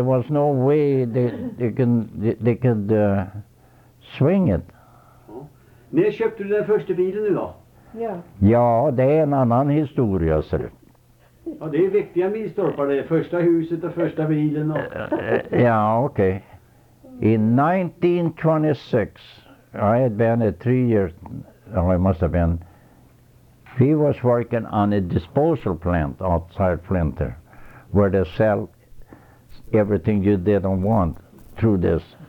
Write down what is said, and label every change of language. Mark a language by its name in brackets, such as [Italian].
[English] There was no way they could swing it. [Swedish] När köpte du den första bilen nu då? Ja, det är en annan historia, ser du. Ja, det är viktiga milstolpar, det första huset och första bilen. [English] Ja, okej. In 1926... I had been a 3 years, oh, I must have been, he was working on a disposal plant outside Flint there, where they sell everything you didn't want through this.